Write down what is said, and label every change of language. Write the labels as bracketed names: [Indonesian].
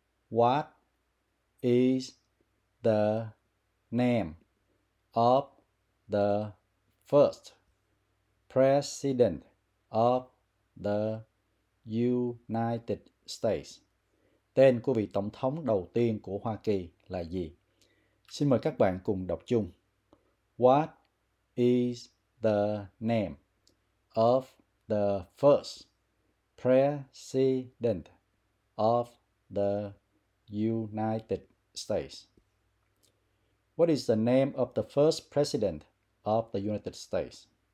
[English] What is the name of the first president of the United States? [Vietnamese] Tên của vị tổng thống đầu tiên của Hoa Kỳ là gì? Xin mời các bạn cùng đọc chung. [English] What is the name of the first president of the United States? What is the name of the first president of the United States?